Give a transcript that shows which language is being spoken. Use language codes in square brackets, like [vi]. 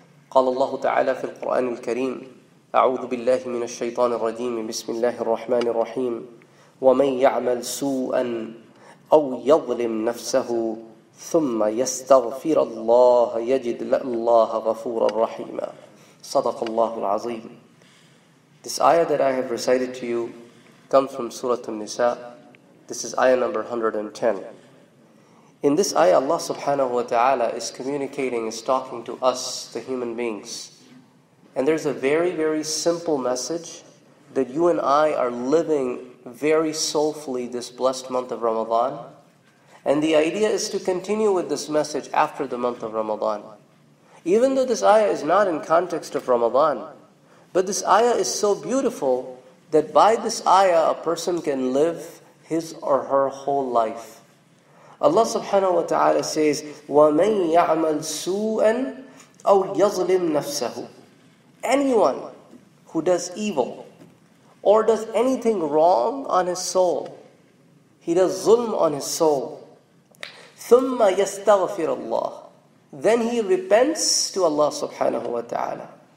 [ar] قال الله تعالى في القرآن الكريم أعوذ بالله من الشيطان الرجيم بسم الله الرحمن الرحيم وَمَنْ يَعْمَلْ سُوءًا أَوْ يَظْلِمْ نَفْسَهُ ثُمَّ يَسْتَغْفِرَ اللَّهَ يَجِدْ لَاللَّهَ غَفُورًا رَحِيمًا صدق الله العظيم. [en] This ayah that I have recited to you comes from Surah An-Nisa. This is ayah number 110. In this ayah, Allah subhanahu wa ta'ala is communicating, is talking to us, the human beings. And there's a very, very simple message that you and I are living very soulfully this blessed month of Ramadan. And the idea is to continue with this message after the month of Ramadan. Even though this ayah is not in context of Ramadan, but this ayah is so beautiful that by this ayah a person can live his or her whole life. Allah subhanahu wa ta'ala says, [ar] وَمَنْ يَعْمَلْ سُوءًا أَوْ يَظْلِمْ نَفْسَهُ. [en] Anyone who does evil or does anything wrong on his soul, he does zulm on his soul, [ar] ثُمَّ يَسْتَغْفِرَ اللَّهِ, [en] then he repents to Allah subhanahu wa ta'ala.